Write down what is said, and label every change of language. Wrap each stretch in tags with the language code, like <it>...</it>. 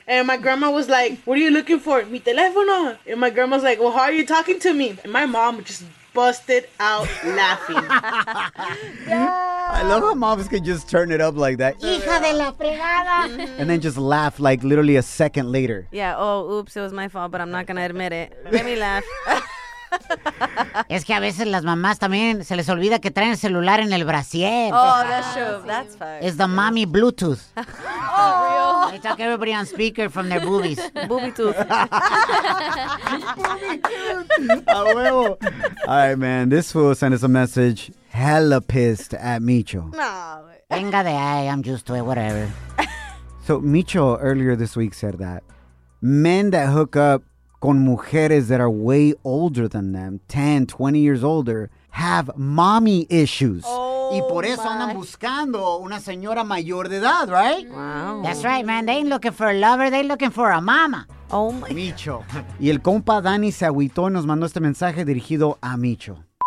<en>And my grandma was like, what are you looking for?</en> <es>Mi teléfono.</es> <en>And my grandma's like, well, how are you talking to me? And my mom just busted out laughing. I love how moms can just turn it up like that.</en> <es>Hija de la fregada.</es> <en>And then just laugh like literally a second later. Yeah, oh, oops, it was my fault, but I'm not going to admit it. Let me laugh.</en> <es>Es que a veces las mamás también se les olvida que traen el celular en el brasier.</es> <en>Oh, that's true. That's fine. It's the mommy Bluetooth. Oh, real. They talk everybody on speaker from their boobies. Boobie tooth. Boobie tooth.</en> <es>A huevo.</es> <en>All right, man. This fool sent us a message. Hella pissed at Micho. No.</en> <es>Venga de ahí.</es> <en>I'm used to it. Whatever. So, Micho earlier this week said that men that hook up</en> <es>con mujeres</es> <en>that are way older than them, 10, 20 years older, have mommy issues. Oh,</en> <es>y por eso andan buscando una señora mayor de edad, right?</es> <en>Wow. That's right, man. They ain't looking for a lover. They looking for a mama. Oh, my. Micho.</en> <es>Y el compa Dani se agüitó y nos mandó este mensaje dirigido a Micho.</es>